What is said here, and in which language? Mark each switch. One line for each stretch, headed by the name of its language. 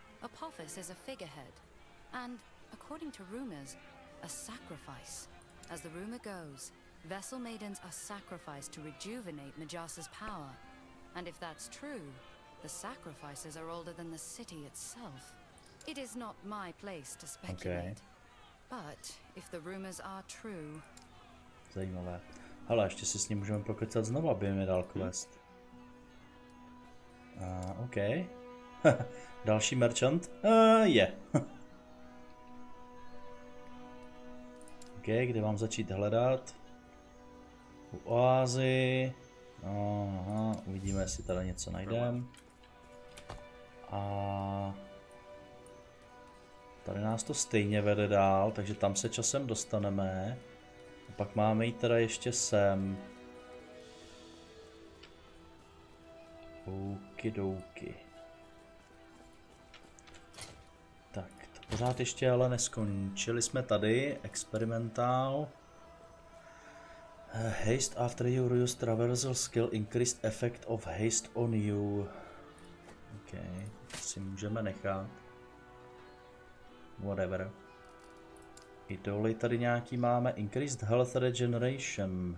English: Apophis is a figurehead and, according to rumors, a sacrifice. As the rumor goes, vessel maidens are sacrificed to rejuvenate Majasa's power. And if that's true, the sacrifices are older than the city itself. It is not my place to speculate. Okay. But if the rumors are true...
Czech: Zajímavé. Hele, ještě si s ním můžeme pokecat znovu, aby mi dal quest. OK. Další merchant? Je. OK, kde mám začít hledat? U oázy. Aha, uvidíme, jestli tady něco najdeme. A tady nás to stejně vede dál, takže tam se časem dostaneme. A pak máme jít teda ještě sem. Ouky douky. Tak, to pořád ještě ale neskončili jsme tady, experimentál.
English: Haste after your use traversal skill increased effect of haste on you.
Czech: OK, si můžeme nechat. Whatever. I dole tady nějaký máme.
English: Increased health regeneration.